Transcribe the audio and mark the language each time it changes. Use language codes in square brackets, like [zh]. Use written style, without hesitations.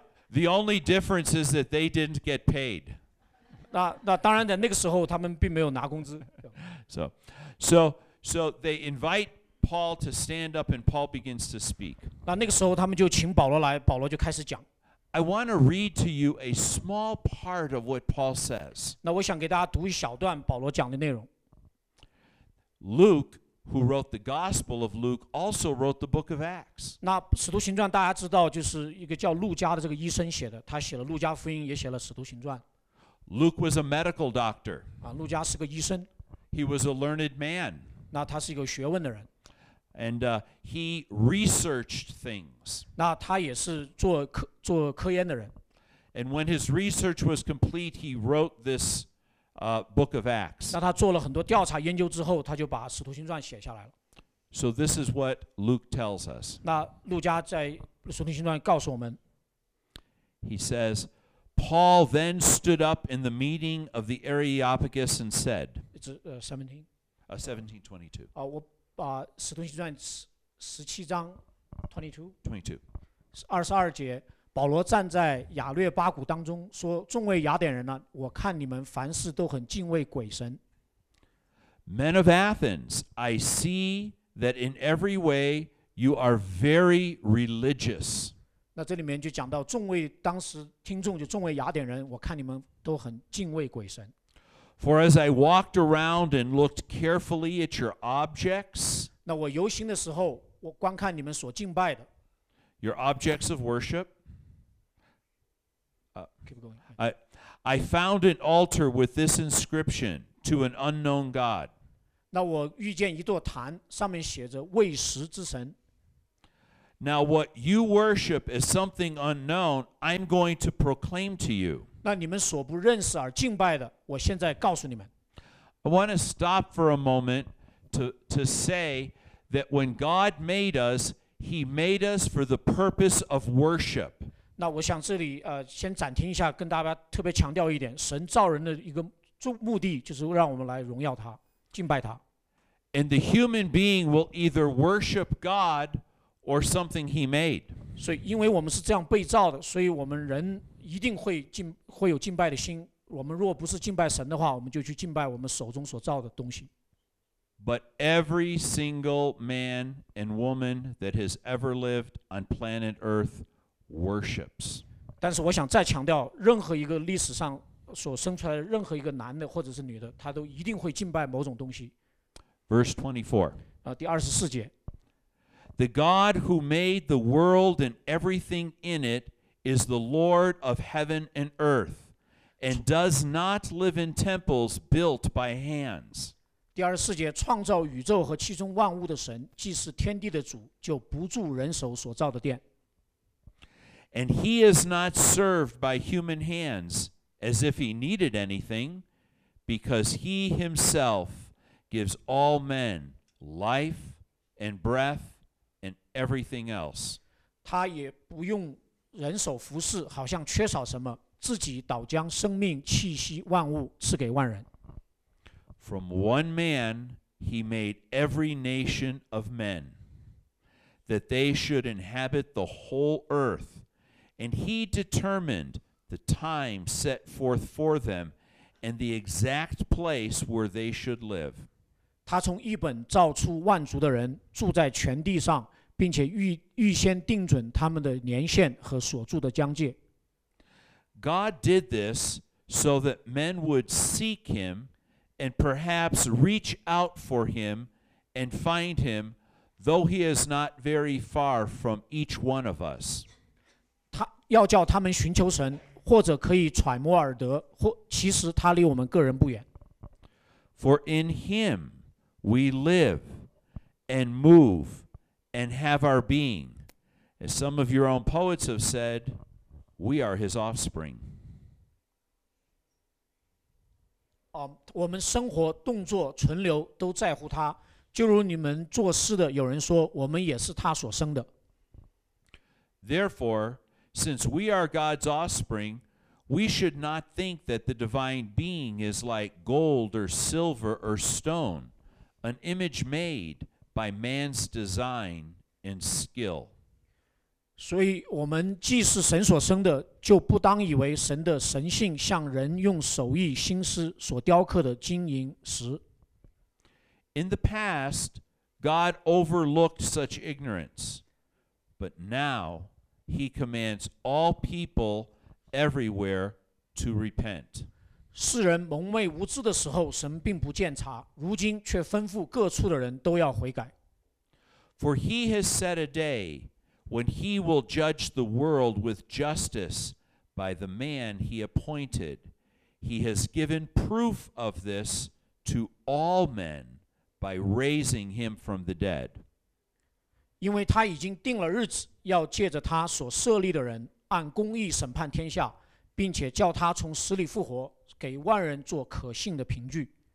[en] the only difference is that they didn't get paid. [zh] 那当然在那个时候他们并没有拿工资。 [en] So they invite Paul to stand up and Paul begins to speak. [zh] 那个时候他们就请保罗来，保罗就开始讲。 [en] I want to read to you a small part of what Paul says. [zh] 那我想给大家读一小段保罗讲的内容。 [en] Luke,Who wrote the Gospel of Luke also wrote the book of Acts. [zh] 那使徒行传大家知道就是一个叫路加的这个医生写的，他写了路加福音，也写了使徒行传。 [en] Luke was a medical doctor. [zh] 啊，路加是个医生。 [en] He was a learned man. [zh] 那他是一个学问的人。 [en] And he researched things. [zh] 那他也是做科研的人。 [en] And when his research was complete, he wrote this. Book of Acts. [zh] 那他做了很多调查研究之后，他就把《使徒行传》写下来了。 [en] So this is what Luke tells us. [zh] 那路加在《使徒行传》告诉我们。 [en] He says, Paul then stood up in the meeting of the Areopagus and said. It's 17:22. [zh] 我把《使徒行传》17章 22. 22节。保罗站在亚略巴谷当中说，众位雅典人呢，我看你们凡事都很敬畏鬼神。 [en] Men of Athens, I see that in every way you are very religious. [zh] 那这里面就讲到众位当时听众就众位雅典人，我看你们都很敬畏鬼神。 [en] For as I walked around and looked carefully at your objects, [zh] 那我游行的时候，我观看你们所敬拜的。 [en] Your objects of worship, Keep going. I found an altar with this inscription to an unknown God. [zh] 那我遇见一座坛，上面写着未食之神。 [en] Now what you worship is something unknown. I'm going to proclaim to you. [zh] 那你们所不认识而敬拜的，我现在告诉你们。 [en] I want to stop for a moment to say that when God made us, He made us for the purpose of worship. [zh] 那我想这里先暂停一下，跟大家特别强调一点，神造人的一个目的就是让我们来荣耀他，敬拜他。 [en] And the human being will either worship God or something He made. [zh] 所以因为我们是这样被造的，所以我们人一定会有敬拜的心。我们如果不是敬拜神的话，我们就去敬拜我们手中所造的东西。 [en] But every single man and woman that has ever lived on planet Earth worships. [zh] 但是我想再强调，任何一个历史上所生出来的任何一个男的或者是女的，他都一定会敬拜某种东西。 [en] Verse 24. [zh] 第二十四节。 [en] The God who made the world and everything in it is the Lord of heaven and earth, and does not live in temples built by hands. [zh] 第二十四节，创造宇宙和其中万物的神，既是天地的主，就不住人手所造的殿。 [en] And he is not served by human hands, as if he needed anything, because he himself gives all men life and breath and everything else. [zh] 他也不用人手服侍，好像缺少什么，自己倒将生命气息万物赐给万人。 [en] From one man he made every nation of men, that they should inhabit the whole earth, and he determined the time set forth for them, and the exact place where they should live. [zh] 他从一本造出万族的人住在全地上，并且预先定准他们的年限和所住的疆界。 [en] God did this so that men would seek him and perhaps reach out for him and find him, though he is not very far from each one of us. [zh] 他要叫他们寻求神，或者可以揣摩耳得，或其实他离我们个人不远。 [en] For in him we live and move and have our being. As some of your own poets have said, we are his offspring. [zh] 我们生活、动作、存留都在乎他，就如你们作诗的有人说，我们也是他所生的。 [en] Therefore, since we are God's offspring, we should not think that the divine being is like gold or silver or stone, an image made by man's design and skill. [zh] 所以我们既是神所生的，就不当以为神的神性像人用手艺心思所雕刻的金银石。 [en] In the past, God overlooked such ignorance, but now he commands all people everywhere to repent. [zh] 世人蒙昧无知的时候，神并不鉴察，如今却吩咐各处的人都要悔改。 [en] For he has set a day when he will judge the world with justice by the man he appointed. He has given proof of this to all men by raising him from the dead. [zh] 因为他已经定了日子，要借着他所设立的人按公义审判天下，并且叫他从死里复活，给万人做可信的凭据。